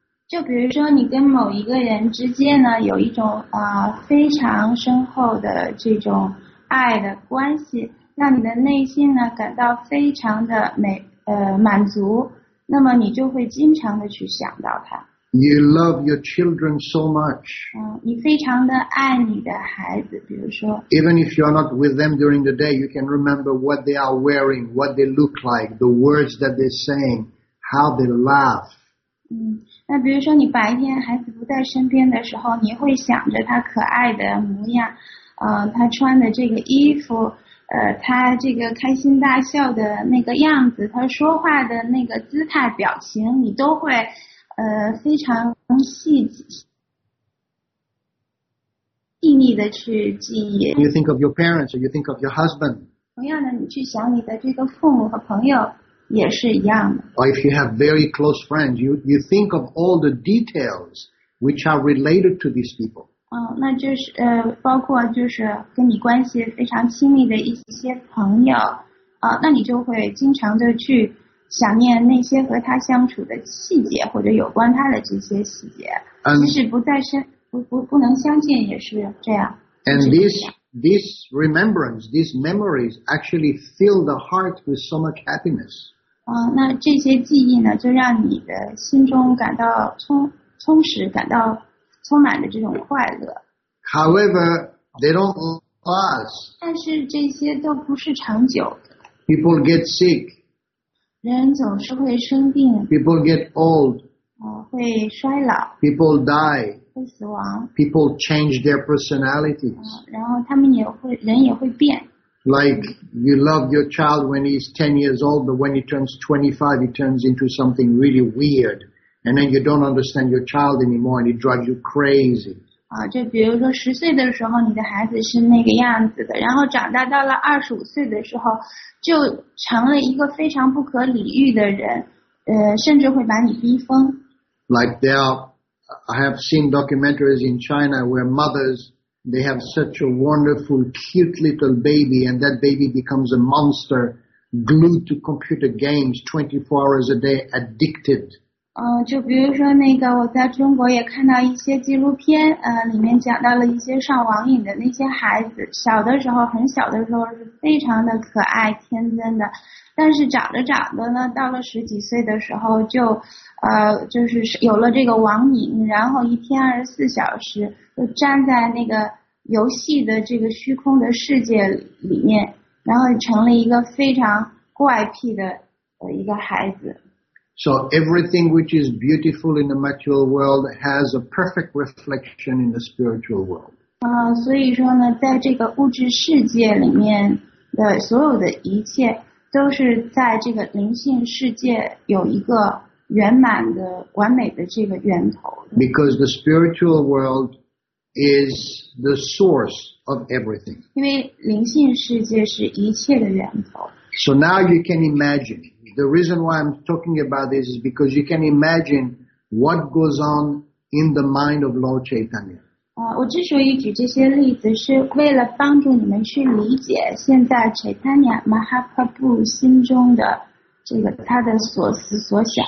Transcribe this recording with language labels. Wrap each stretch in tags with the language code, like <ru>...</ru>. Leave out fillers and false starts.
<zh>就比如说你跟某一个人之间呢，有一种非常深厚的这种爱的关系，让你的内心呢感到非常的满足，那么你就会经常的去想到他。</zh> <en>You love your children so much.</en> <zh>你非常的爱你的孩子，比如说。</zh> <en>Even if you're not with them during the day, you can remember what they are wearing, what they look like, the words that they're saying, how they laugh.</en> <zh>那比如说你白天孩子不在身边的时候，你会想着他可爱的模样，他穿的这个衣服，他这个开心大笑的那个样子，他说话的那个姿态表情，你都会非常细腻的去记忆。</zh> <en>You think of your parents or you think of your husband.</en> <zh>同样的，你去想你的这个父母和朋友也是一样的。</zh> <en>Or if you have very close friends, you think of all the details which are related to these people.</en> <zh>那就是包括就是跟你关系非常亲密的一些朋友，那你就会经常的去想念那些和他相处的细节或者有关他的这些细节，即使不在身。不能相信也是这样。</zh> <en>And this remembrance, these memories actually fill the heart with so much happiness.</en> <zh>那这些记忆呢，就让你的心中感到充实，感到充满的这种快乐。</zh> <en>However, they don't last.</en> <zh>但是这些都不是长久的。</zh> <en>People get sick.</en> <zh>人总是会生病。</zh> <en>People get old.</en> <zh>会衰老。</zh> <en>People die.</en> <zh>会死亡。</zh> <en>People change their personalities.</en> <zh>然后他们也会，人也会变。</zh> <en>Like you love your child when he's 10 years old, but when he turns 25, he turns into something really weird. And then you don't understand your child anymore, and it drives you crazy.</en> <zh>就比如说10岁的时候，你的孩子是那个样子的，然后长大到了25岁的时候，就成了一个非常不可理喻的人，甚至会把你逼疯。</zh> <en>Like they are. I have seen documentaries in China where mothers, they have such a wonderful, cute little baby, and that baby becomes a monster, glued to computer games 24 hours a day, addicted.</en> <zh>就比如说那个我在中国也看到一些纪录片，里面讲到了一些上网瘾的那些孩子，小的时候，很小的时候是非常的可爱、天真的，但是长着长着呢，到了十几岁的时候就，就是有了这个网瘾，然后一天24小时就站在那个游戏的这个虚空的世界里面，然后成了一个非常怪癖的一个孩子。</zh> <en>So everything which is beautiful in the material world has a perfect reflection in the spiritual world.</en> <zh>所以说呢，在这个物质世界里面的所有的一切，都是在这个灵性世界有一个圆满的、完美的这个源头。</zh> <en>Because the spiritual world is the source of everything.</en> <zh>因为灵性世界是一切的源头。</zh> <en>So now you can imagine. The reason why I'm talking about this is because you can imagine what goes on in the mind of Lord Chaitanya.</en> <zh>我之所以举这些例子是为了帮助你们去理解现在 Chaitanya Mahaprabhu 心中的这个他的所思所想。</zh>